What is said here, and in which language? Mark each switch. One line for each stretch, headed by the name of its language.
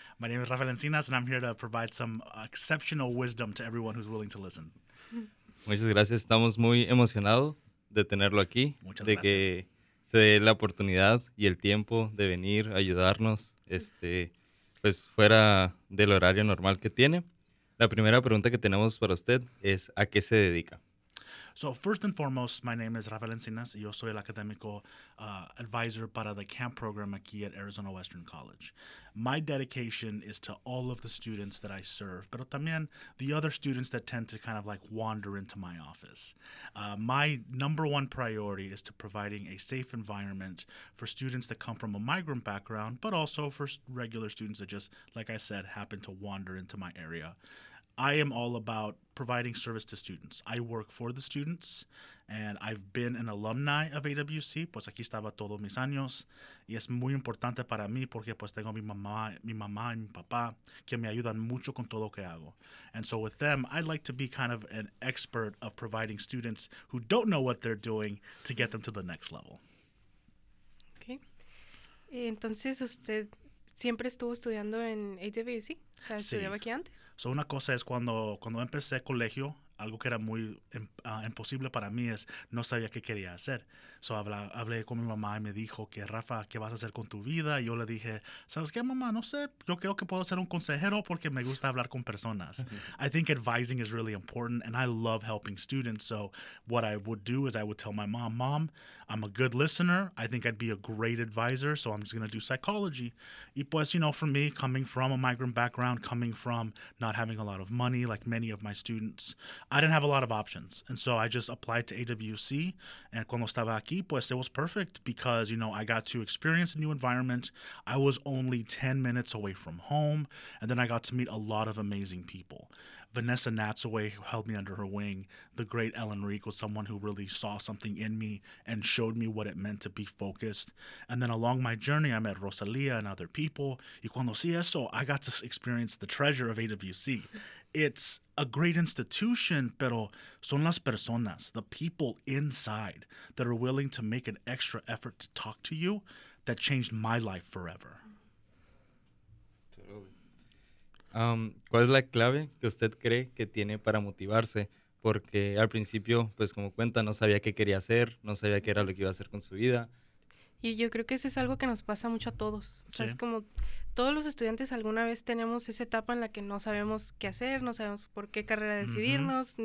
English: My name is Rafael Encinas and I'm here to provide some exceptional wisdom to everyone who's willing to listen.
Spanish: Muchas gracias. Estamos muy emocionados de tenerlo aquí. Muchas de gracias. De que se dé la oportunidad y el tiempo de venir a ayudarnos. Pues fuera del horario normal que tiene. La primera pregunta que tenemos para usted es, ¿a qué se dedica?
English: So first and foremost, my name is Rafael Encinas
Spanish: y yo soy el académico advisor para
English: the camp program aquí at Arizona Western College. My dedication is to all of the students that I serve,
Spanish: pero también
English: the other students that tend to kind of like wander into my office. My number one priority is to providing a safe environment for students that come from a migrant background, but also for regular students that just, like I said, happen to wander into my area. I am all about providing service to students. I work for the students, and I've been an alumni of AWC.
Spanish: Pues aquí estaba todos mis años. Y es muy importante para mí porque pues tengo mi mamá y mi papá que me ayudan mucho con todo lo que hago.
English: And so with them, I'd like to be kind of an expert of providing students who don't know what they're doing to get them to the next level.
Spanish: Okay. Entonces usted... ¿Siempre estuvo estudiando en AWC? O sea, ¿estudiaba aquí antes? So una cosa es cuando empecé colegio, algo que era muy imposible para mí es no sabía qué quería hacer. So, hablé con mi mamá y me dijo que, Rafa, ¿qué vas a hacer con tu vida? Y yo le dije, ¿sabes qué, mamá? No sé. Yo creo que puedo ser un consejero porque me gusta hablar con personas.
English: I think advising is really important, and I love helping students. So what I would do is I would tell my mom, Mom, I'm a good listener. I think I'd be a great advisor, so I'm just going to do psychology.
Spanish: Y pues,
English: you know, for me, coming from a migrant background, coming from not having a lot of money, like many of my students, I didn't have a lot of options, and so I just applied to AWC, and
Spanish: cuando estaba aquí, pues
English: it was perfect because, you know, I got to experience a new environment. I was only 10 minutes away from home, and then I got to meet a lot of amazing people. Vanessa Natsaway held me under her wing. The great Ellen Reek was someone who really saw something in me and showed me what it meant to be focused. And then along my journey, I met Rosalia and other people.
Spanish: Y cuando sí eso,
English: I got to experience the treasure of AWC. It's a great institution,
Spanish: pero son las personas,
English: the people inside, that are willing to make an extra effort to talk to you that changed my life forever. Totally.
Spanish: ¿Cuál es la clave que usted cree que tiene para motivarse? Porque al principio, pues como cuenta, no sabía qué quería hacer, no sabía qué era lo que iba a hacer con su vida. Y yo creo que eso es algo que nos pasa mucho a todos. O sea, sí. Es como todos los estudiantes alguna vez tenemos esa etapa en la que no sabemos qué hacer, no sabemos por qué carrera decidirnos, uh-huh.